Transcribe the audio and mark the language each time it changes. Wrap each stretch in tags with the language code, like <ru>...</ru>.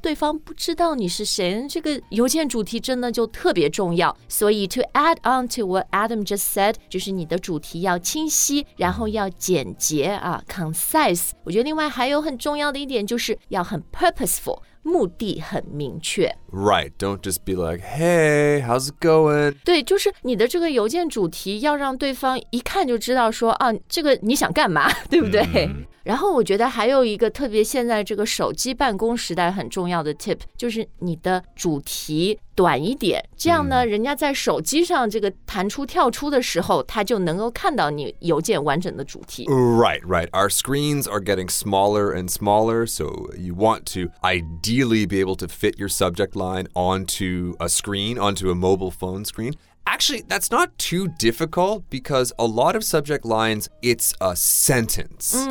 <zh>对方不知道你是谁这个邮件主题真的就特别重要所以</zh> <en>to add on to what Adam just said,</en> <zh>就是你的主题要清晰然后要简洁啊 concise, 我觉得另外还有很重要的一点就是要很 purposeful,目的很明确</zh> <en>Right, don't just be like Hey, how's it going?</en> <zh>对就是你的这个邮件主题要让对方一看就知道说啊，这个你想干嘛对不对、然后我觉得还有一个特别现在这个手机办公时代很重要的 tip 就是你的主题短一点这样呢、人家在手机上这个弹出跳出的时候他就能够看到你邮件完整的主题</zh> <en>Right. Our screens are getting smaller and smaller so you want to ideally be able to fit your subject line onto a screen onto a mobile phone screenActually, that's not too difficult because a lot of subject lines, it's a sentence.</en>